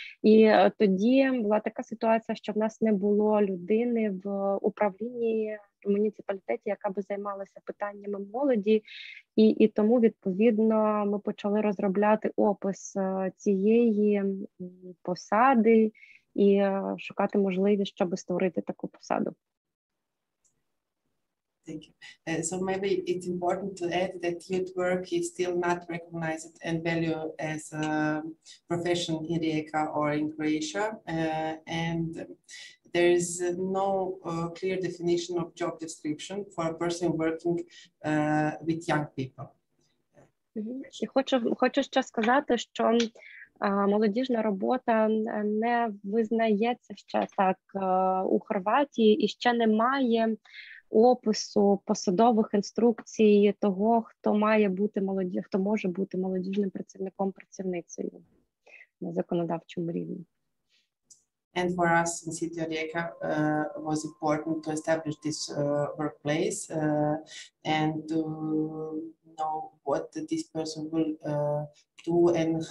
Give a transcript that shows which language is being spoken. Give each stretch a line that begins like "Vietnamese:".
Ukrainian: І тоді була така ситуація, що в нас не було людини в управлінні муніципалітеті, яка би займалася питаннями молоді, і тому відповідно ми почали розробляти опис цієї посади і шукати можливість, щоб створити таку посаду.
English: Thank you. So maybe it's important to add that youth work is still not recognized and valued as a profession in Rijeka or in Croatia. And there is no clear definition of job description for a person working with young people. Mm-hmm.
Ukrainian: Хочу ще сказати, що молодіжна робота не визнається ще так у Хорватії і ще немає опису посадових інструкцій того, хто має бути хто може бути молодіжним працівником, працівницею на законодавчому рівні.
English: And for us in City of Rijeka was important to establish this workplace and to know what this person will do and